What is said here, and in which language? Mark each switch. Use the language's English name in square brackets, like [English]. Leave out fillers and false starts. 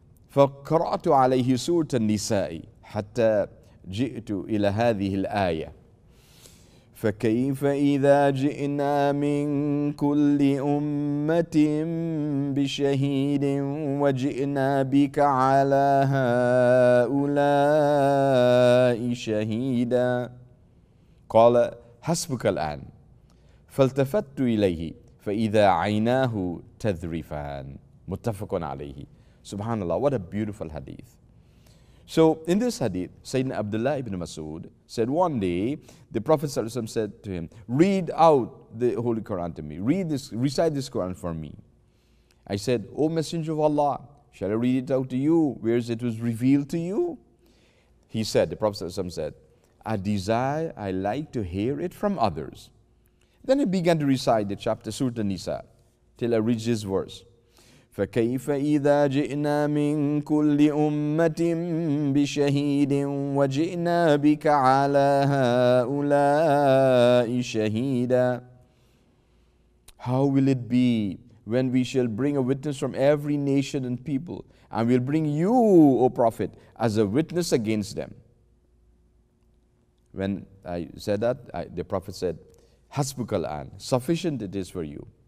[Arabic] فقرأت عليه سورة النساء حتى جئت إلى هذه الآية: فكيف إذا جئنا من كل أمة بشهيد وجئنا بك على هؤلاء شهيدا؟ قال حسبك الآن. فالتفت إليه فإذا عيناه تذرفان. متفق عليه. سبحان الله. [English] What a beautiful hadith. So in this hadith, Sayyidina Abdullah ibn Mas'ud said one day, the Prophet ﷺ said to him, read out the Holy Quran to me. Read this, recite this Quran for me. I said, O Messenger of Allah, shall I read it out to you? Where it was revealed to you? He said, the Prophet ﷺ said, I like to hear it from others. Then he began to recite the chapter Surah An-Nisa till I reached this verse. [Arabic] فكيف إذا جئنا من كل أمة بشهيد وجئنا بك على هؤلاء شهيدا. [English] How will it be when we shall bring a witness from every nation and people, and we'll bring you, O Prophet, as a witness against them? When I said that, the Prophet said, [Arabic] حسبك الآن, [English] sufficient it is for you.